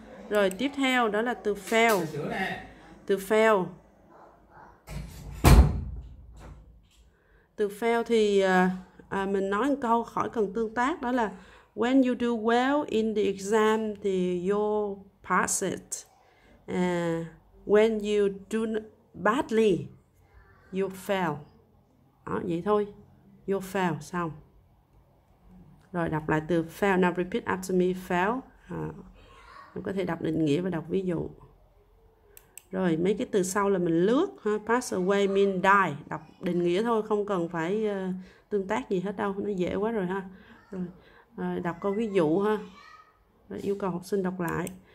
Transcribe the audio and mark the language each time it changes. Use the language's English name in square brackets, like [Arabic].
[Vietnamese] Rồi tiếp theo đó là từ fail. Từ fail. Từ fail thì mình nói một câu khỏi cần tương tác, đó là [English] when you do well in the exam [Vietnamese] thì [English] you pass it. When you do badly, you fail. [Vietnamese] Đó, vậy thôi. [English] You fail, xong. [Vietnamese] Rồi đọc lại từ fail. [English] Now repeat after me, fail. [Vietnamese] Mình có thể đọc định nghĩa và đọc ví dụ. Rồi mấy cái từ sau là mình lướt ha. [English] Pass away mean die. [Vietnamese] Đọc định nghĩa thôi, không cần phải tương tác gì hết đâu. Nó dễ quá rồi ha. Rồi đọc câu ví dụ ha. Rồi, yêu cầu học sinh đọc lại.